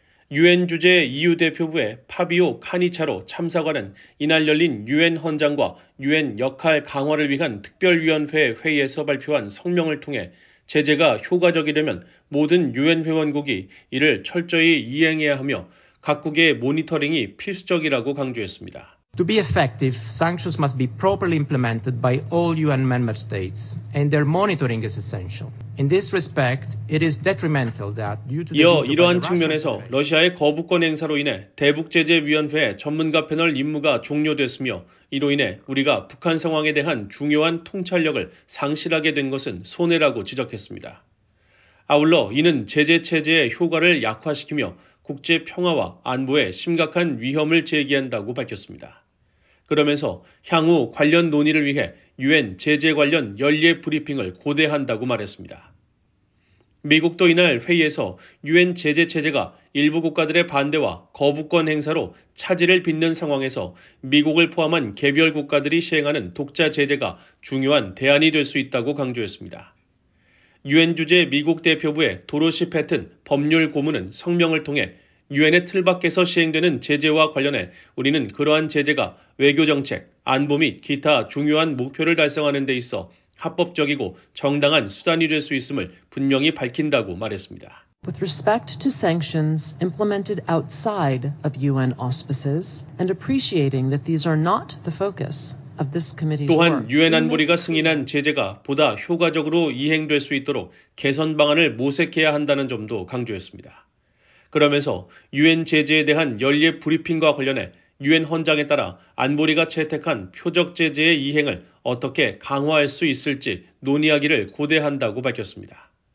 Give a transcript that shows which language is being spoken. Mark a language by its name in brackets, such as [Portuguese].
[Korean] 유엔 주재 EU 대표부의 파비오 카니차로 참사관은 이날 열린 유엔 헌장과 유엔 역할 강화를 위한 특별위원회 회의에서 발표한 성명을 통해 제재가 효과적이려면 모든 유엔 회원국이 이를 철저히 이행해야 하며 각국의 모니터링이 필수적이라고 강조했습니다. [English] To be effective, sanctions must be properly implemented by all UN member states, and their monitoring is essential. In this respect, it is detrimental that due to the [Korean] 이어 이러한 측면에서 러시아의 거부권 행사로 인해 대북 제재 위원회 전문가 패널 임무가 종료됐으며 이로 인해 우리가 북한 상황에 대한 중요한 통찰력을 상실하게 된 것은 손해라고 지적했습니다. 아울러 이는 제재 체제의 효과를 약화시키며 국제 평화와 안보에 심각한 위험을 제기한다고 밝혔습니다. 그러면서 향후 관련 논의를 위해 UN 제재 관련 연례 브리핑을 고대한다고 말했습니다. 미국도 이날 회의에서 UN 제재 체제가 일부 국가들의 반대와 거부권 행사로 차질을 빚는 상황에서 미국을 포함한 개별 국가들이 시행하는 독자 제재가 중요한 대안이 될 수 있다고 강조했습니다. 유엔 주재 미국 대표부의 도로시 패튼 법률 고문은 성명을 통해 유엔의 틀 밖에서 시행되는 제재와 관련해 우리는 그러한 제재가 외교정책, 안보 및 기타 중요한 목표를 달성하는 데 있어 합법적이고 정당한 수단이 될 수 있음을 분명히 밝힌다고 말했습니다. [English] With respect to sanctions implemented outside of UN auspices and appreciating that these are not the focus, [Korean] 또한 유엔 안보리가 승인한 제재가 보다 효과적으로 이행될 수 있도록 개선 방안을 모색해야 한다는 점도 강조했습니다. 그러면서 유엔 제재에 대한 연례 브리핑과 관련해 유엔 헌장에 따라 안보리가 채택한 표적 제재의 이행을 어떻게 강화할 수 있을지 논의하기를 고대한다고 밝혔습니다.